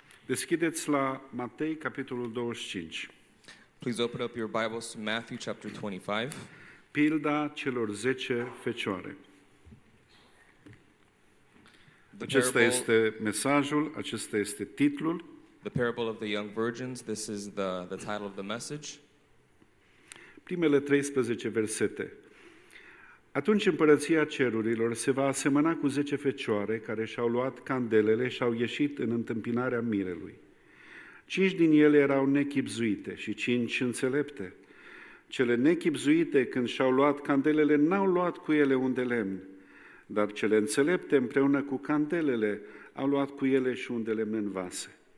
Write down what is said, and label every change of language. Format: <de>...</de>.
<ro>Deschideți la Matei, capitolul 25.</ro> <en>Please open up your Bibles to Matthew chapter 25.</en> <ro>Pilda celor 10 fecioare. Acesta este mesajul, acesta este titlul.</ro> <en>The parable of the young virgins, this is the title of the message.</en> <ro>Primele 13 versete. Atunci împărăția cerurilor se va asemăna cu 10 fecioare care și-au luat candelele și-au ieșit în întâmpinarea mirelui. 5 din ele erau nechipzuite și 5 înțelepte. Cele nechipzuite, când și-au luat candelele, n-au luat cu ele un de lemn, dar cele înțelepte împreună cu candelele au luat cu ele și un de lemn în vase.</ro>